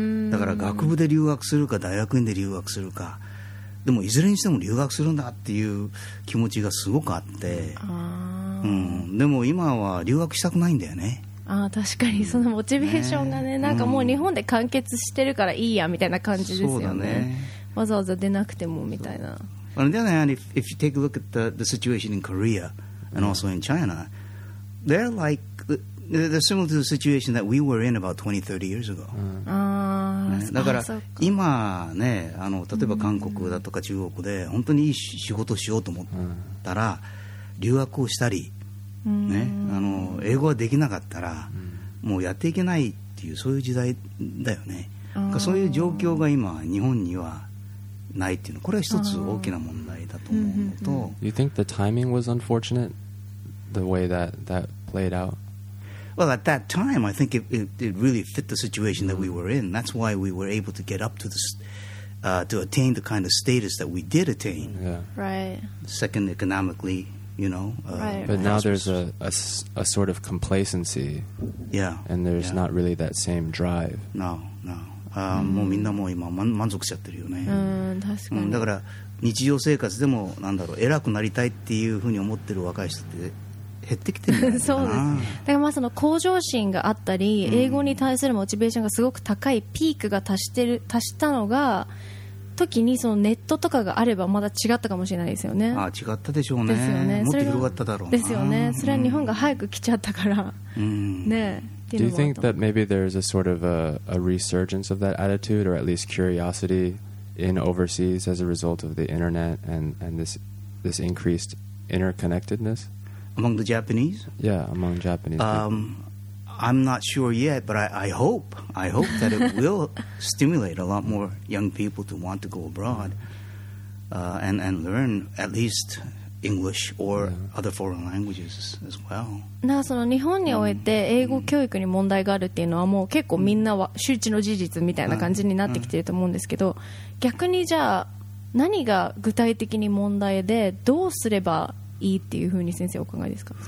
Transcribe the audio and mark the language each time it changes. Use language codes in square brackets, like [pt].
[ja] だから学部で留学するか大学院で留学するか、でもいずれにしても留学するんだっていう気持ちがすごくあって、あ、でも今は留学したくないんだよね。あ、確かにそのモチベーションが ね、なんかもう日本で完結してるからいいやみたいな感じですよ ね。わざわざ出なくてもみたいな。 [en] そう、 then, if you take a look at the situation in Korea and also in China, they're likeThey're similar to the situation that we were in about 20, 30 years ago. [ja] だから今ね、例えば韓国だとか中国で本当にいい仕事をしようと思ったら、留学をしたり、ね、英語ができなかったらもうやっていけないっていう、そういう時代だよね。そういう状況が今日本にはないっていうの、これは一つ大きな問題だと思うのと、 [en] You think the timing was unfortunate, the way that played out? Well, at that time, I think it really fit the situation mm-hmm. that we were in. That's why we were able to get up to this, to attain the kind of status that we did attain. Yeah. Right. Second economically, you know. Right. But now there's a sort of complacency. Yeah. And there's yeah. not really that same drive. No, no. [ja] もうみんなもう今満足しちゃってるよね。うん、確かに。だから日常生活でもなんだろう偉くなりたいっていうふうに思ってる若い人って減ってきてるんじゃないかな。そうです。だからまあその向上心があったり、うん、英語に対するモチベーションがすごく高いピークが達したのが時にそのネットとかがあればまだ違ったかもしれないですよね。あ、違ったでしょうね。ですよね。もっと広がっただろうな。ですよね。それは日本が早く来ちゃったから、うん、ね。 [en] Do you think that maybe there's a sort of a resurgence of that attitude or at least curiosity in overseas as a result of the internet and this increased interconnectedness? Among the Japanese? Yeah, among Japanese people. I'm not sure yet, but I hope that it will stimulate a lot more young people to want to go abroad and learn at least... English or other foreign languages as well. [ja] なあ、その日本において英語教育に問題があるっていうのはもう結構みんなは周知の事実みたいな感じになってきてると思うんですけど、逆にじゃあ何が具体的に問題でどうすればいいっていうふうに先生お考えですか？